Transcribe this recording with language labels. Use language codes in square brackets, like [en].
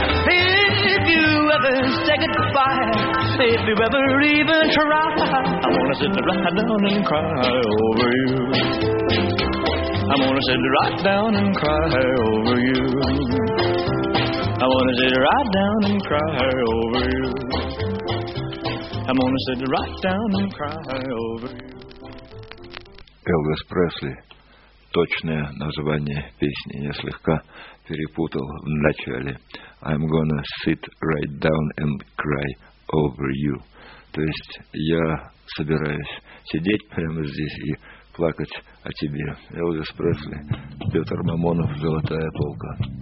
[en] If you ever say goodbye, if you ever even try, I'm gonna sit right down and cry over you. I'm gonna sit right down and cry over you. I'm gonna sit right down and cry over you. I'm gonna sit right down and cry over you. [ru] Элвис Пресли. Точное название песни я слегка перепутал в начале. [en] I'm gonna sit right down and cry over you. [ru] То есть я собираюсь сидеть прямо здесь и плакать о тебе. Элвис Пресли, Петр Мамонов, «Золотая полка».